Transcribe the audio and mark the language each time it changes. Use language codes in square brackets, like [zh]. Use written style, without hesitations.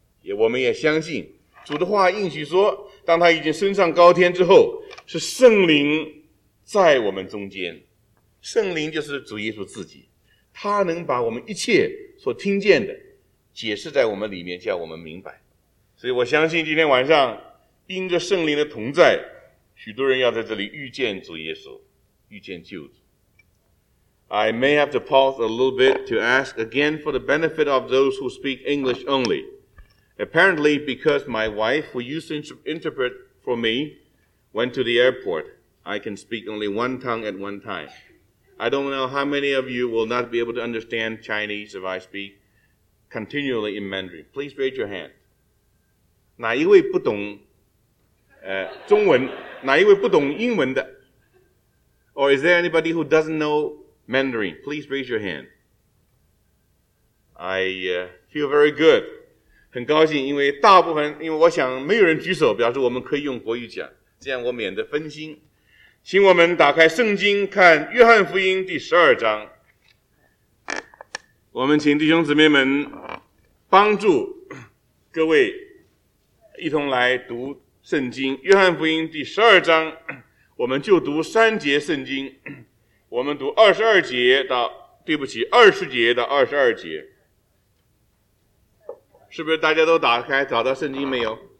[zh] 也我们也相信主的话应许说，当他已经升上高天之后，是圣灵在我们中间，圣灵就是主耶稣自己，他能把我们一切所听见的解释在我们里面，叫我们明白。所以我相信今天晚上因着圣灵的同在，许多人要在这里遇见主耶稣，遇见救主。 [en] I may have to pause a little bit to ask again for the benefit of those who speak English only. Apparently, because my wife, who used to interpret for me, went to the airport, I can speak only one tongue at one time. I don't know how many of you will not be able to understand Chinese if I speak continually in Mandarin. Please raise your hand. [zh] 哪一位不懂中文，哪一位不懂英文的？ [en] Or is there anybody who doesn't know Mandarin? Please raise your hand. I feel very good. [zh] 很高兴，因为大部分，因为我想没有人举手，表示我们可以用国语讲，这样我免得分心。请我们打开圣经，看约翰福音第十二章。我们请弟兄姊妹们帮助各位一同来读圣经，约翰福音第十二章，我们就读三节圣经，我们读二十节到二十二节，是不是大家都打开找到圣经没有？